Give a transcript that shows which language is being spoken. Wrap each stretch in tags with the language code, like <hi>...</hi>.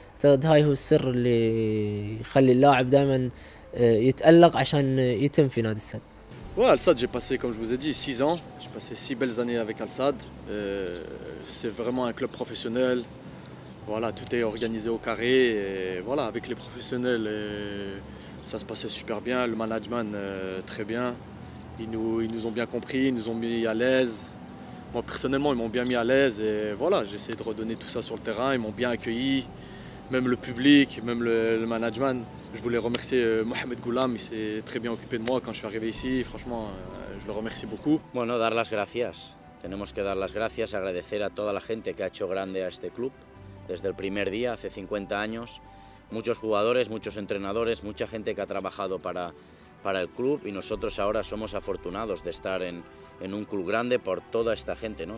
<ar>أعتقد هاي هو السر اللي يخلي اللاعب دائما يتألق عشان يتم في نادي السد.</ar> <fr>Ouais, Al Sadd, j'ai passé, comme je vous ai dit, 6 ans. J'ai passé 6 belles années avec Al Sadd. C'est vraiment un club professionnel. Voilà, tout est organisé au carré. Et voilà, avec les professionnels, ça se passait super bien. Le management, très bien. Ils nous ont bien compris, ils nous ont mis à l'aise. Moi, personnellement, ils m'ont bien mis à l'aise. Et voilà, j'ai essayé de redonner tout ça sur le terrain. Ils m'ont bien accueilli. Même le public, même le management. Je voulais remercier Mohamed Goulam, il s'est très bien occupé de moi quand je suis arrivé ici. Franchement, je le remercie beaucoup.</fr> <es>Bueno, dar las gracias. Tenemos que dar las gracias, agradecer a toda la gente que ha hecho grande a este club desde el primer día, hace 50 años. Muchos jugadores, muchos entrenadores, mucha gente que ha trabajado para el club y nosotros ahora somos afortunados de estar en un club grande por toda esta gente, ¿no?</es>